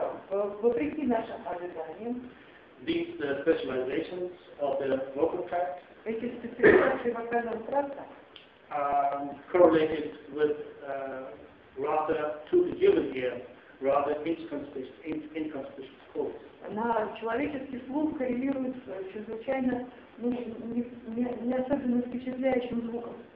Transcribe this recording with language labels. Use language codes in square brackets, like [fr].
[ru] Вопреки нашим ожиданиям. [en] These specializations of the vocal tract. [ru] Эти специализации вокального тракта. [en] Correlated with rather to the human ear, rather inconspicuous calls. [ru] На человеческий слух коррелирует чрезвычайно не особенно впечатляющим звуком.